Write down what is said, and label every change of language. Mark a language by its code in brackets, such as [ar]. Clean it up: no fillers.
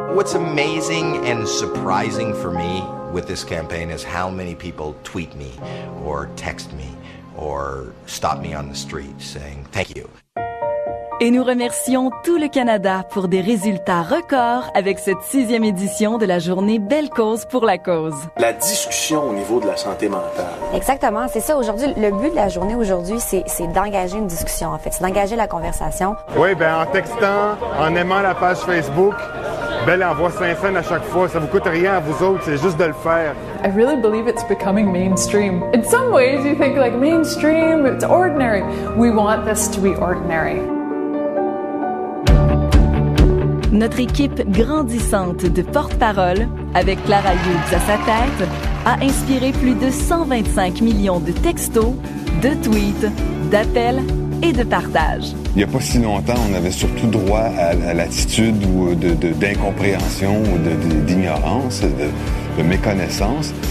[en] What's amazing and surprising for me with this campaign is how many people tweet me or text me or stop me on the street saying thank you. [fr] Et nous remercions tout le Canada pour des résultats records avec cette 6e édition de la journée Belle Cause pour la Cause. La discussion au niveau de la santé mentale. Exactement, c'est ça. Aujourd'hui, le but de la journée aujourd'hui, c'est d'engager une discussion, en fait. C'est d'engager la conversation. Oui, bien, en textant, en aimant la page Facebook, Belle envoie 5 cents à chaque fois. Ça vous coûte rien à vous autres, c'est juste de le faire. [en] I really believe it's becoming mainstream. In some ways, you think, like, mainstream, it's ordinary. We want this to be ordinary. [fr] Notre équipe grandissante de porte-parole, avec Clara Hughes à sa tête, a inspiré plus de 125 millions de textos, de tweets, d'appels et de partages. Il n'y a pas si longtemps, on avait surtout droit à l'attitude ou d'incompréhension ou d'ignorance, de méconnaissance.